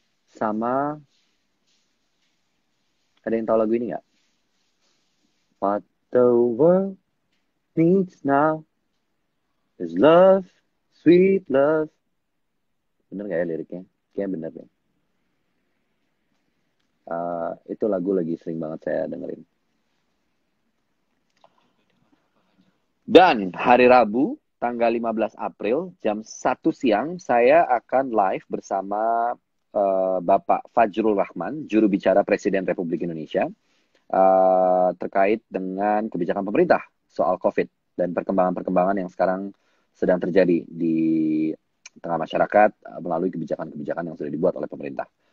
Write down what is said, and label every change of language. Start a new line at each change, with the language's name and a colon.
Indonesian: Sama ada yang tahu lagu ini nggak?
English: What the world needs now is love, sweet love.
Indonesian: Bener nggak ya liriknya? Kayaknya bener deh. Itu lagu lagi sering banget saya dengerin. Dan hari Rabu, tanggal 15 April, jam 1 siang, saya akan live bersama Bapak Fajrul Rahman, juru bicara Presiden Republik Indonesia, terkait dengan kebijakan pemerintah soal COVID dan perkembangan-perkembangan yang sekarang sedang terjadi di tengah masyarakat melalui kebijakan-kebijakan yang sudah dibuat oleh pemerintah.